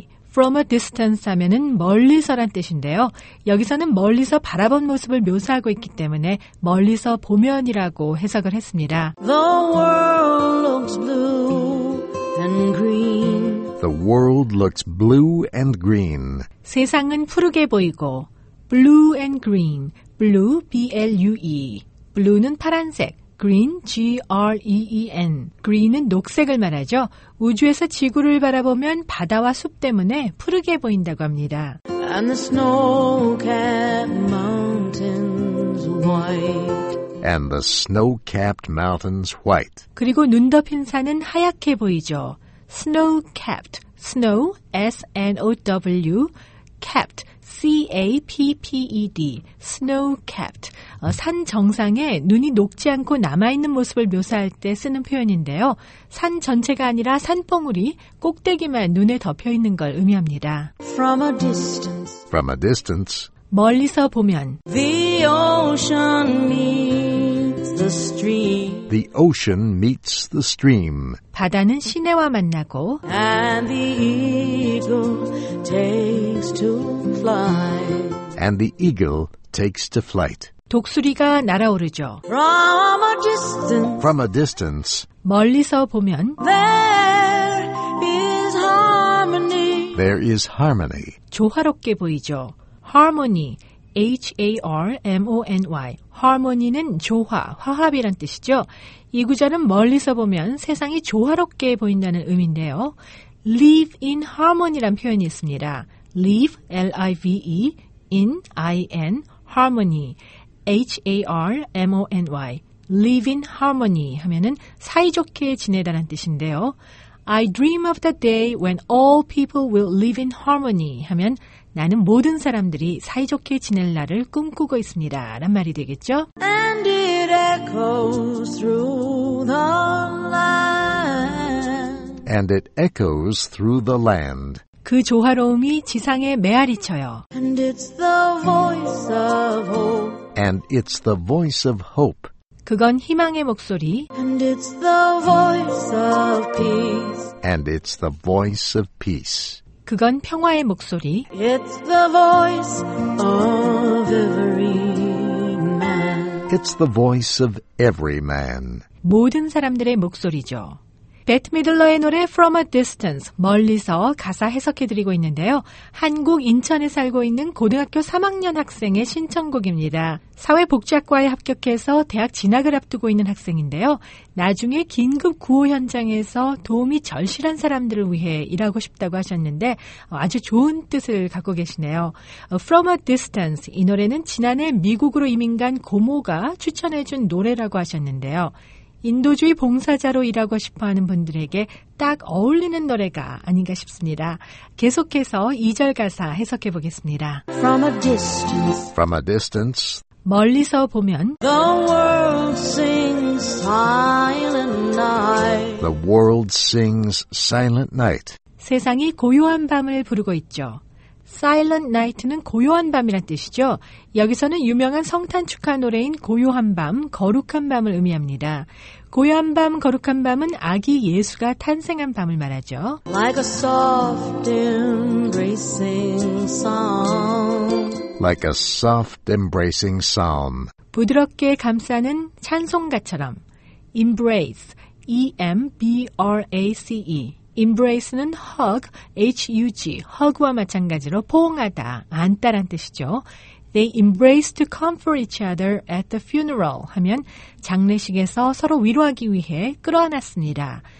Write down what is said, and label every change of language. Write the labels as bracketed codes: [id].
[ko] From a distance 하면은 멀리서란 뜻인데요. 여기서는 멀리서 바라본 모습을 묘사하고 있기 때문에 멀리서 보면이라고 해석을 했습니다. [en] The world looks blue and green. The world looks blue and green. [ko] 세상은 푸르게 보이고 [en] blue and green, blue, B-L-U-E. [ko] blue는 파란색, green, G-R-E-E-N. green은 녹색을 말하죠. 우주에서 지구를 바라보면 바다와 숲 때문에 푸르게 보인다고 합니다. [en] And the snow-capped mountains white. And the snow-capped mountains white. [ko] 그리고 눈 덮인 산은 하얗게 보이죠. [en] snow-capped, snow, S-N-O-W, capped. C-A-P-P-E-D, snow-capped. [ko] 산 정상에 눈이 녹지 않고 남아있는 모습을 묘사할 때 쓰는 표현인데요. 산 전체가 아니라 산봉우리, 꼭대기만 눈에 덮여있는 걸 의미합니다. [en] From a distance. From a distance. [ko] 멀리서 보면 [en] The ocean meets the stream. The ocean meets the stream. [ko] 바다는 시내와 만나고 [en] And the eagle takes to fly. And the eagle takes to flight. [ko] 독수리가 날아오르죠. [en] From a distance. From a distance. [ko] 멀리서 보면 [en] There is harmony. There is harmony. [ko] 조화롭게 보이죠. Harmony, H-A-R-M-O-N-Y. Harmony는 조화, 화합이란 뜻이죠. 이 구절은 멀리서 보면 세상이 조화롭게 보인다는 의미인데요. [en] Live in harmony [ko] 란 표현이 있습니다. [en] Live, L-I-V-E, in, I-N, harmony, H-A-R-M-O-N-Y. Live in harmony [ko] 하면은 사이좋게 지내다란 뜻인데요. [en] I dream of the day when all people will live in harmony [ko] 하면 나는 모든 사람들이 사이좋게 지낼 날을 꿈꾸고 있습니다. 라는 말이 되겠죠? [en] And it echoes through the land. And it echoes through the land. [ko] 그 조화로움이 지상에 메아리쳐요. [en] And it's the voice of hope. And it's the voice of hope. [ko] 그건 희망의 목소리. [en] And it's the voice of peace. And it's the voice of peace. [ko] 그건 평화의 목소리. [en] It's the voice of every man. It's the voice of every man. [ko] 모든 사람들의 목소리죠. 베트 미들러의 노래 From a Distance, 멀리서 가사 해석해드리고 있는데요. 한국 인천에 살고 있는 고등학교 3학년 학생의 신청곡입니다. 사회복지학과에 합격해서 대학 진학을 앞두고 있는 학생인데요. 나중에 긴급 구호 현장에서 도움이 절실한 사람들을 위해 일하고 싶다고 하셨는데 아주 좋은 뜻을 갖고 계시네요. From a Distance, 이 노래는 지난해 미국으로 이민 간 고모가 추천해준 노래라고 하셨는데요. 인도주의 봉사자로 일하고 싶어하는 분들에게 딱 어울리는 노래가 아닌가 싶습니다. 계속해서 2절 가사 해석해 보겠습니다. [en] From a distance. From a distance. [ko] 멀리서 보면 [en] The world sings silent night. The world sings silent night. [ko] 세상이 고요한 밤을 부르고 있죠. Silent Night는 고요한 밤이란 뜻이죠. 여기서는 유명한 성탄 축하 노래인 고요한 밤, 거룩한 밤을 의미합니다. 고요한 밤, 거룩한 밤은 아기 예수가 탄생한 밤을 말하죠. [en] Like a soft embracing song. like a soft embracing psalm. [ko] 부드럽게 감싸는 찬송가처럼. [en] Embrace, E-M-B-R-A-C-E. [ko] Embrace는 hug, H-U-G, hug와 마찬가지로 포옹하다, 안다란 뜻이죠. [en] They embrace to comfort each other at the funeral [ko] 하면 장례식에서 서로 위로하기 위해 끌어안았습니다.